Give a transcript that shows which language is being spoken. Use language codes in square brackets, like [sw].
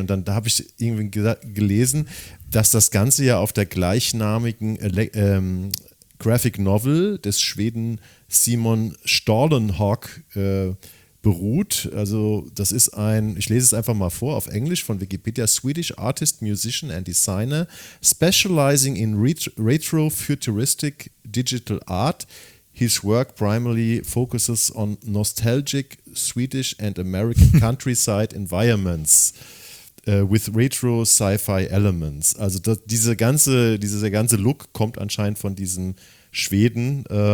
[de] Und dann da habe ich irgendwie gelesen, dass das Ganze ja auf der gleichnamigen Graphic Novel des Schweden Simon Stålenhag beruht. Also das ist ein, ich lese es einfach mal vor auf Englisch von Wikipedia, [en] Swedish artist, musician and designer specializing in retro-futuristic digital art. His work primarily focuses on nostalgic Swedish and American countryside environments with retro sci-fi elements. [de] Also das, dieser ganze Look kommt anscheinend von diesen Schweden.